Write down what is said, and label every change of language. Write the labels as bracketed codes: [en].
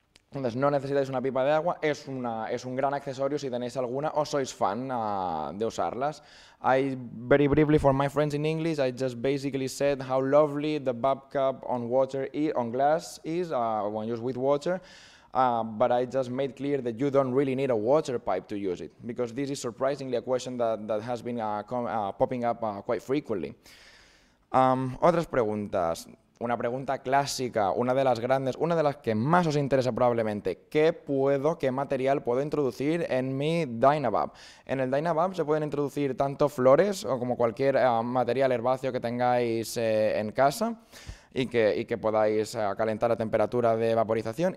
[es] Entonces, no necesitáis una pipa de agua, es un gran accesorio si tenéis alguna o sois fan de usarlas. [en] I very briefly for my friends in English, I just basically said how lovely the bap cup on water on glass is when used with water. But I just made clear that you don't really need a water pipe to use it, because this is surprisingly a question that has been popping up quite frequently. [es] Otras preguntas. Una pregunta clásica, una de las grandes, una de las que más os interesa probablemente. ¿Qué material puedo introducir en mi DynaVap? En el DynaVap se pueden introducir tanto flores o como cualquier material herbáceo que tengáis en casa y que podáis calentar a temperatura de vaporización.